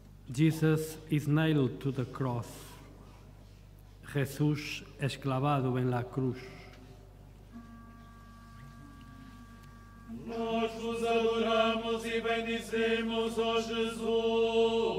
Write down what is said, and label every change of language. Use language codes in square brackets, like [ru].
[en] Jesus is nailed to the cross. [es] Jesus es clavado en la cruz. [pt] Nós vos adoramos e bendizemos, ó Jesus.